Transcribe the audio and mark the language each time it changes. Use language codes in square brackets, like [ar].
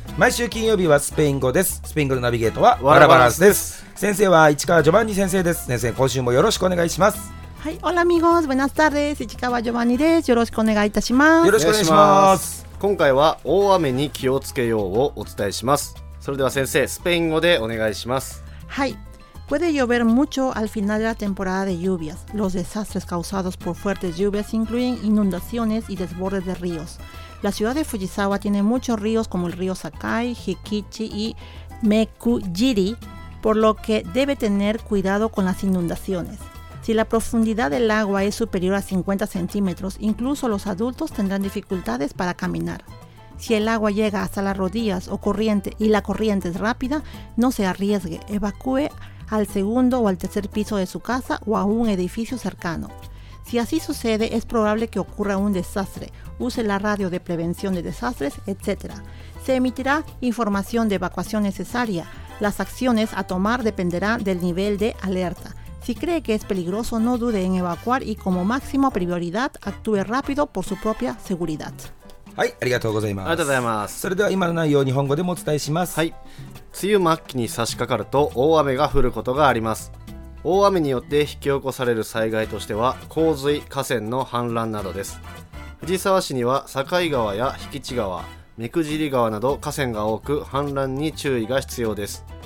[ja] 毎週金曜日はスペイン語です。スペイン語のナビゲートはワラバランスです。先生は市川ジョバンニ先生です。先生今週もよろしくお願いします。はい、オラミゴーズ、ブナスタルです。市川ジョバンニです。よろしくお願いいたします。よろしくお願いします。今回は大雨に気をつけようをお伝えします。それでは先生、スペイン語でお願いします。はい、 [es] puede llover mucho al final de la temporada de lluvias. Los desastres causados por fuertes lluvias incluyen inundaciones y desbordes de ríos. La ciudad de Fujisawa tiene muchos ríos como el río Sakai, Hikichi y Mekujiri, por lo que debe tener cuidado con las inundaciones. Si la profundidad del agua es superior a 50 centímetros, incluso los adultos tendrán dificultades para caminar. Si el agua llega hasta las rodillas o corriente y la corriente es rápida, no se arriesgue, evacúe al segundo o al tercer piso de su casa o a un edificio cercano. Si así sucede, es probable que ocurra un desastre. Use la radio de prevención de desastres, etc. Se emitirá información de evacuación necesaria. Las acciones a tomar dependerán del nivel de alerta. Si cree que es peligroso, no dude en evacuar y como máxima prioridad, actúe rápido por su propia seguridad. [ja] はい、ありがとうございます。ありがとうございます。それでは今の内容を日本語でもお伝えします。はい。梅雨末期に差し掛かると大雨が降ることがあります。大雨によって引き起こされる災害としては洪水、河川の氾濫などです。藤沢市には境川や引地川、目くじり川など河川が多く氾濫に注意が必要です。